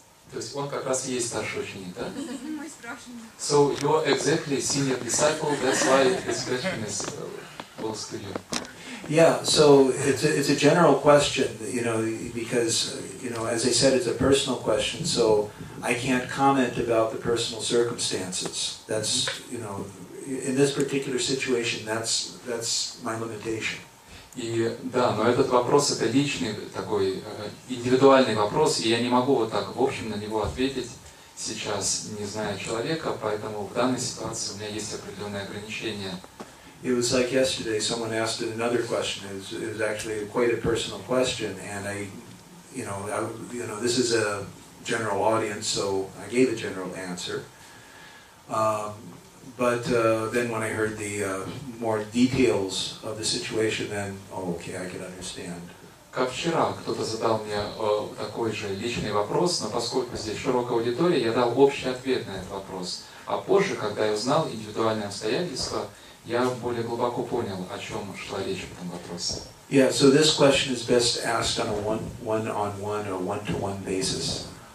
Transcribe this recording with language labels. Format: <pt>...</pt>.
<ru>То есть он как раз и есть старший ученик, да?</ru> <en>So you're exactly senior disciple, that's why this question is posed to you. Yeah, so it's a general question, you know, because, you know, as I said, it's a personal question, so I can't comment about the personal circumstances. That's, you know, in this particular situation, that's my limitation.</en> <ru>И да, но этот вопрос, это личный такой, индивидуальный вопрос, и я не могу вот так, в общем, на него ответить сейчас, не зная человека, поэтому в данной ситуации у меня есть определенные ограничения.</ru> <en>It was like yesterday, someone asked another question. It was actually quite a personal question, and I, this is a general audience, so I gave a general answer. But then when I heard the more details of the situation, then, oh, okay, I can understand.</en> <ru>Как вчера кто-то задал мне такой же личный вопрос, но поскольку здесь широкая аудитория, я дал общий ответ на этот вопрос. А позже, когда я узнал индивидуальные обстоятельства, я более глубоко понял, о чем шла речь в этом вопросе.</ru> <en>Yeah, so this question is best asked on a one-on-one or one-to-one basis.</en>